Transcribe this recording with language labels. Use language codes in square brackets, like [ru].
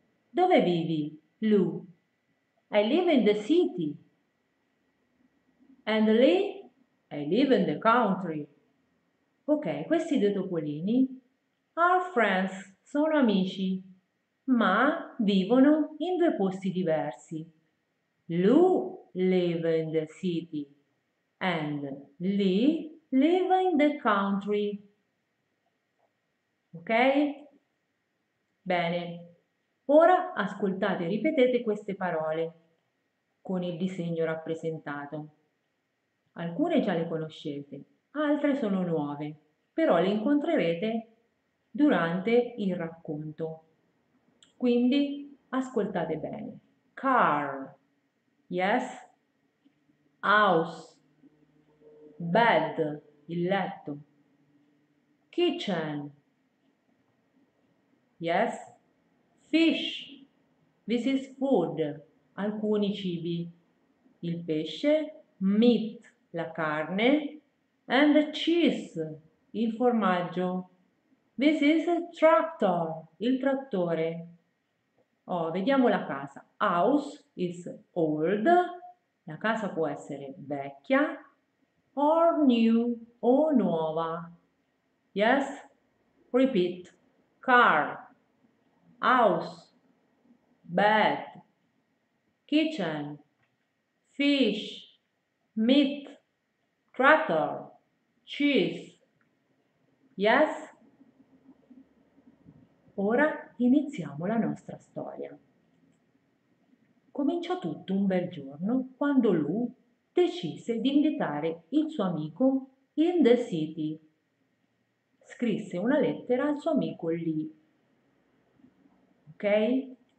[it] Dove vivi, [en] Lou? I live in the city. And Lee? I live in the country. [it] Ok, questi due topolini [en] are friends, [it] sono amici, ma vivono in due posti diversi. [en] Lou live in the city and Lee live in the country. Ok? [it] Bene, ora ascoltate e ripetete queste parole con il disegno rappresentato. Alcune già le conoscete, altre sono nuove. Però le incontrerete durante il racconto. Quindi ascoltate bene. [en] Car, yes, house, bed, il letto, kitchen, yes, fish, this is food, [it] alcuni cibi, il pesce, [en] meat, la carne, and cheese. [it] Il formaggio. [en] This is a tractor, [it] il trattore. Oh, vediamo la casa. [en] House is old. [it] La casa può essere vecchia or new o nuova. [en] Yes? Repeat. Car, house, bed, kitchen, fish, meat, tractor, cheese. Yes? [it] Ora iniziamo la nostra storia. Cominciò tutto un bel giorno quando Lou decise di invitare il suo amico [en] in the city. [it] Scrisse una lettera al suo amico Lee. Ok?